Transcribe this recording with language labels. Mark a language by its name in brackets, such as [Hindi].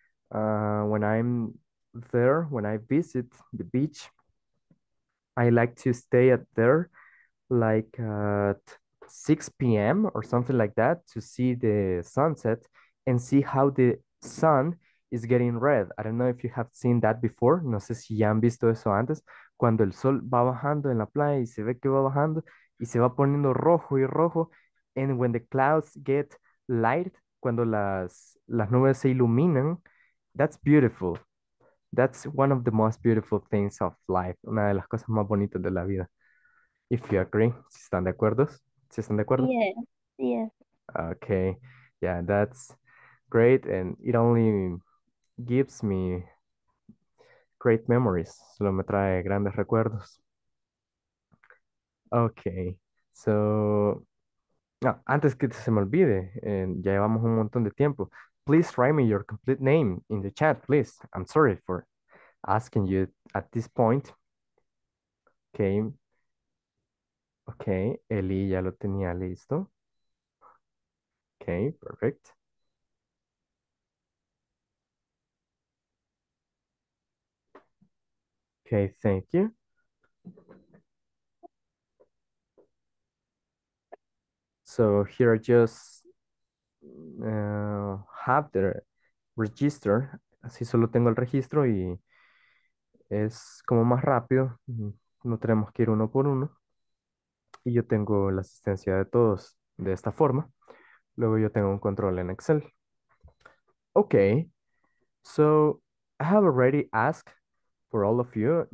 [English] When I'm there, when I visit the beach, I like to stay at there like at 6 p.m. or something like that to see the sunset and see how the sun is getting red. I don't know if you have seen that before. [Spanish] No sé si ya han visto eso antes. cuando el sol va bajando en la playa y se ve que va bajando y se va poniendo rojo y rojo. [English] And when the clouds get light, [Spanish] cuando las nubes se iluminan, [English] that's beautiful. That's one of the most beautiful things of life. [Spanish] Una de las cosas más bonitas de la vida. [English] If you agree, [Spanish] si están de acuerdo, si están de acuerdo. [English] Okay, yeah, that's great, and it only gives me great memories. [Spanish] Solo me trae grandes recuerdos. Okay, so no, antes que se me olvide, ya llevamos un montón de tiempo. [English] Please write me your complete name in the chat, please. I'm sorry for asking you at this point. [Spanish] Okay. Okay, Eli ya lo tenía listo. [English] Okay, perfect. Okay, thank you. So here I just have the register. [Spanish] Así solo tengo el registro y es como más rápido. No tenemos que ir uno por uno. Y yo tengo la asistencia de todos de esta forma. Luego yo tengo un control en Excel. Okay. [English] So I have already asked for all of you.